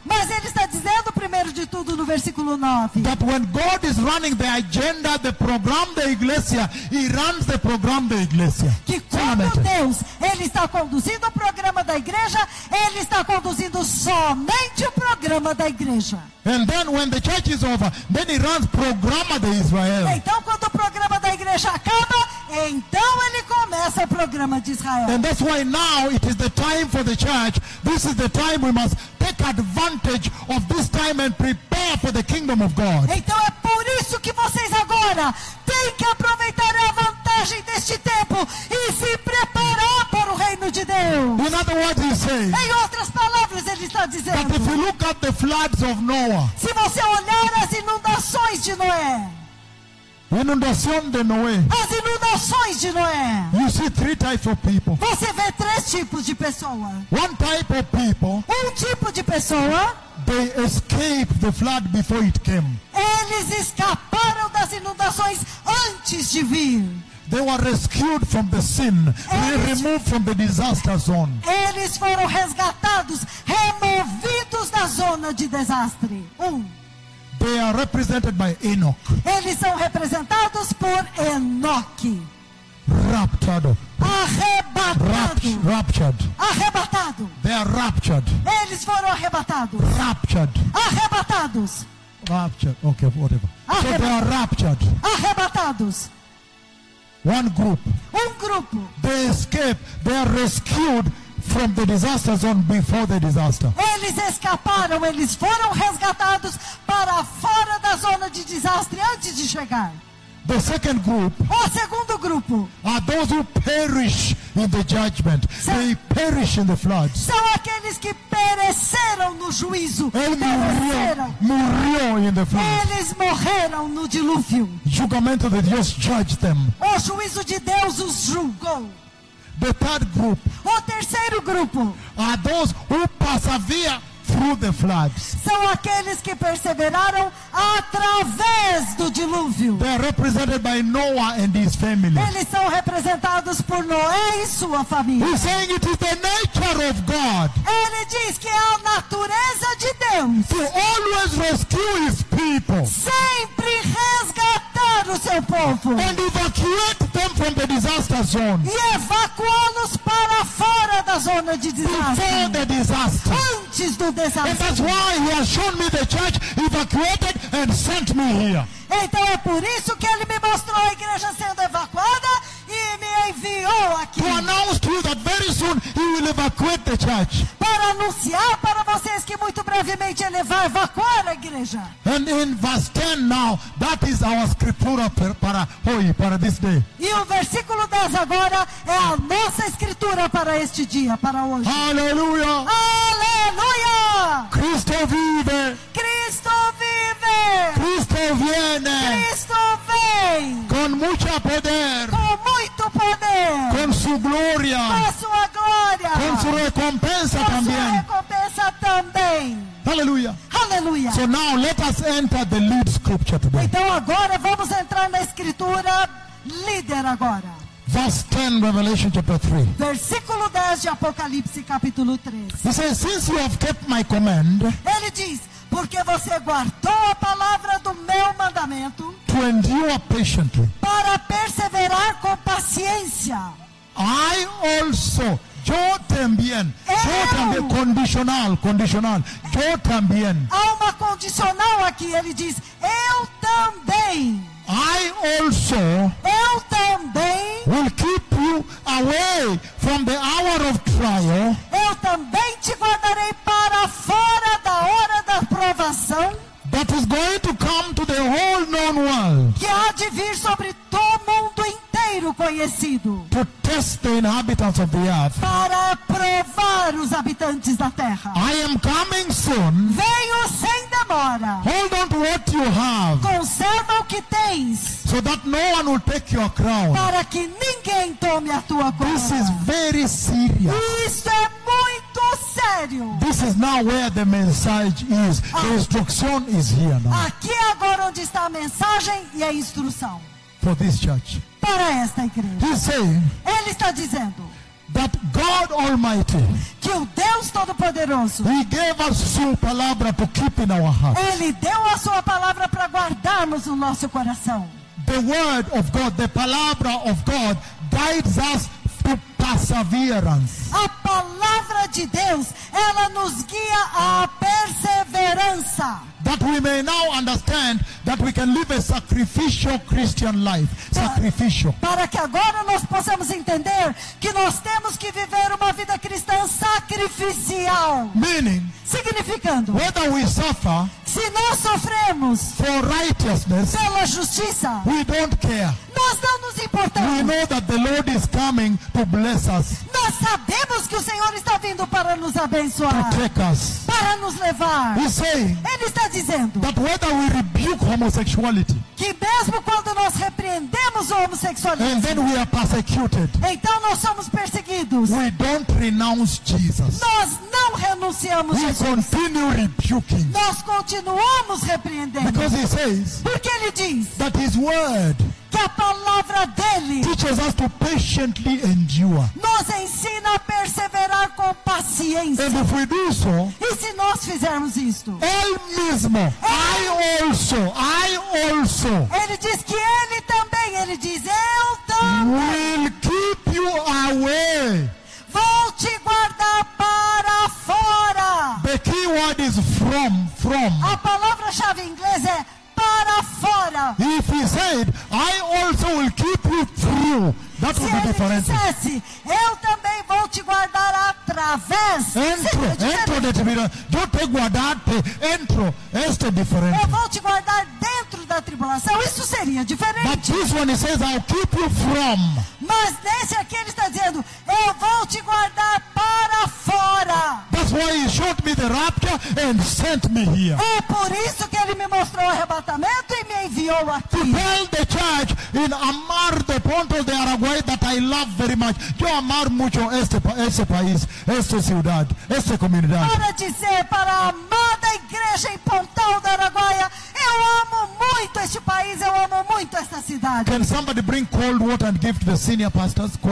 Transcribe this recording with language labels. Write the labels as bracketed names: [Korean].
[Portuguese] mas ele está dizendo primeiro de tudo no versículo 9, [English] that when God is running the agenda, the program [Portuguese] da igreja, [English] he runs the program da igreja. [Portuguese] Que quando Deus ele está conduzindo o programa da igreja, ele está conduzindo somente o programa da igreja. [English] And then when the church is over, then he runs [Portuguese] programa de Israel. Então quando o programa da igreja acaba, então ele começa o programa de Israel. [English] And that's why now it is the time for the church. This is the time we must take advantage of this time and prepare for the kingdom of God. [Portuguese] Então é por isso que vocês agora têm que aproveitar a vantagem deste tempo e se preparar para o reino de Deus. [English] In other words, he's saying, [Portuguese] em outras palavras, ele está dizendo, [English] that if you look at the floods of Noah, [Portuguese] se você olhar as inundações de Noé, as inundações de Noé, [English] you see three types of people. [Portuguese] Você vê três tipos de pessoa. [English] One type of people, [Portuguese] um tipo de pessoa, [English] they escaped the flood before it came. [Portuguese] Eles escaparam das inundações antes de vir. [English] They were rescued from the sin, removed from the disaster zone. [Portuguese] Eles foram resgatados, removidos da zona de desastre. [English] They are represented by Enoch. [Portuguese] Eles são representados por Enoch. Raptado. Arrebatado. [English] Raptured. [Portuguese] Arrebatado. [English] They are raptured. [Portuguese] Eles foram arrebatados. [English] Raptured. [Portuguese] Arrebatados. [English] Raptured. Okay, whatever. So they are raptured. [Portuguese] Arrebatados. [English] One group. [Portuguese] Um grupo. [English] They escape. They are rescued from the disaster zone before the disaster. [Portuguese] Eles escaparam, eles foram resgatados para fora da zona de desastre antes de chegar. [English] The second group, [Portuguese] o segundo grupo, [English] are those who perish in the judgment. They perish in the flood. [Portuguese] São aqueles que pereceram no juízo. Morreu [English] in the flood. [Portuguese] Eles morreram no dilúvio. Julgamento de Deus [English] judged them. [Portuguese] O juízo de Deus os julgou. [English] The third group, [Portuguese] o terceiro grupo, [English] are those who persevere through the floods. [Portuguese] São aqueles que perseveraram através do dilúvio. [English] They are represented by Noah and his family. [Portuguese] Eles são representados por Noé e sua família. [English] He's saying it is the nature of God. [Portuguese] Ele diz que é a natureza de Deus. [English] To always rescue his people. [Portuguese] Sempre resgatar o seu povo. [English] And evacuate them from the disaster zone. [Portuguese] E evacuá-los para fora da zona de desastre. [English] Before the disaster. [Portuguese] Antes do desastre. [English] And that's why he has shown me the church evacuated and sent me here. [Portuguese] Então é por isso que ele me mostrou a igreja sendo evacuada e me enviou aqui. [English] To announce to you that very soon he will evacuate the church. [Portuguese] Para anunciar para vocês que muito brevemente ele vai evacuar a igreja. [English] And in verse 10 now, that is our [Portuguese] scriptura para [English] this day. [Portuguese] E o versículo 10 agora é a nossa escritura para este dia, para hoje. Aleluia! Aleluia! [Spanish] Cristo vive! [Portuguese] Cristo vive! [Spanish] Cristo viene! [Portuguese] Cristo vem! [Spanish] Con mucho poder! [Portuguese] Com muito poder! [Spanish] Con su gloria! [Portuguese] Com sua glória! [Spanish] Con su recompensa también! [Portuguese] Com sua recompensa também! Aleluia! Aleluia! [English] So now let us enter the lead scripture today. [Portuguese] Então agora vamos entrar na escritura líder agora. [English] Verse 10, Revelation chapter 3. [Portuguese] Versículo 10 de Apocalipse capítulo 3. [English] He says, since you have kept my command. [Portuguese] Ele diz, porque você guardou a palavra do meu mandamento. [English] To endure patiently. [Portuguese] Para perseverar com paciência. [English] I also, [Spanish] Yo también. Yo también. Condicional, condicional. Yo también. [Portuguese] Há uma condicional aqui. Ele diz, eu também. [English] I also. [Portuguese] Eu também. [English] Will keep you away from the hour of trial. [Portuguese] Eu também te guardarei para fora da hora da provação. [English] That is going to come to the whole known world. [Portuguese] Que há de vir sobre todo mundo inteiro conhecido. [English] To test the inhabitants of the earth. [Portuguese] Para provar os habitantes da terra. [English] I am coming soon. [Portuguese] Venho sem demora. [English] Hold on to what you have. [Portuguese] Conserva o que tens. [English] So that no one will take your crown. [Portuguese] Para que ninguém tome a tua coroa. [English] This is very serious. [Portuguese] Isso é muito sério. [English] This is now where the message is. The instruction is here now. [Portuguese] Aqui é agora onde está a mensagem e a instrução. [English] For this church. [Portuguese] Para esta igreja. [English] He's saying. [Portuguese] Ele está dizendo. [English] That God Almighty. [Portuguese] Que o Deus Todo-Poderoso. [English] He gave us [Portuguese] sua palavra [English] to keep in our hearts. [Portuguese] Ele deu a sua palavra para guardarmos no nosso coração. [English] The word of God, the palavra of God guides us to perseverance. [Portuguese] A palavra de Deus, ela nos guia à perseverança. [English] That we may now understand that we can live a sacrificial Christian life. Sacrificial. [Portuguese] Para que agora nós possamos entender que nós temos que viver uma vida cristã sacrificial. [English] Meaning. [Portuguese] Significando. [English] Whether we suffer. [Portuguese] Se nós sofremos. [English] For righteousness. [Portuguese] Pela justiça. [English] We don't care. [Portuguese] Nós não nos importamos. [English] We know that the Lord is coming to bless us. [Portuguese] Nós sabemos que o Senhor está vindo para nos abençoar. [English] To take us. [Portuguese] Para nos levar. [English] He's saying. [Portuguese] Ele está dizendo. [English] That whether we rebuke homosexuality. [Portuguese] Que mesmo quando nós repreendemos o homossexualismo. [English] And then we are persecuted. [Portuguese] Então nós somos perseguidos. [English] We don't renounce Jesus. [Portuguese] Nós não renunciamos a Jesus. [English] We continue rebuking. [Portuguese] Nós continuamos repreendendo. [English] Because he says. [Portuguese] Porque ele diz. [English] That his word. [Portuguese] Que a palavra dele [English] teaches us to patiently endure. [Portuguese] Nos ensina a perseverar com paciência. [English] And if we do so, [Portuguese] e se nós fizermos isto? Ele mesmo, [English] I also. [Portuguese] Ele diz que ele também, ele diz, eu também. [English] Will keep you away. [Portuguese] Vou te guardar para fora. [English] The key word is from. [Portuguese] A palavra-chave em inglês é para fora. [English] If he said, I also will keep you through, that [Portuguese] se [English] would be [Portuguese] ele [English] different. [Portuguese] Dissesse, eu também vou te guardar através. Eu vou te guardar dentro da tribulação. Isso seria diferente. [English] But this one he says, I'll keep you from. [Portuguese] Mas nesse aqui ele está dizendo, eu vou te guardar para fora. [English] That's why he showed me the rapture and sent me here. [Portuguese] É por isso que ele me mostrou o arrebatamento e me enviou aqui. [English] To tell the church in Amar de Pontal-Do-Araguia that I love very much. [Spanish] Yo amar mucho este país, esta ciudad, esta comunidade. [Portuguese] Para dizer para a amada igreja em Pontal-Do-Araguia, eu amo muito este país, eu amo muito esta cidade. [English] Can somebody bring cold water and give to the senior pastors cold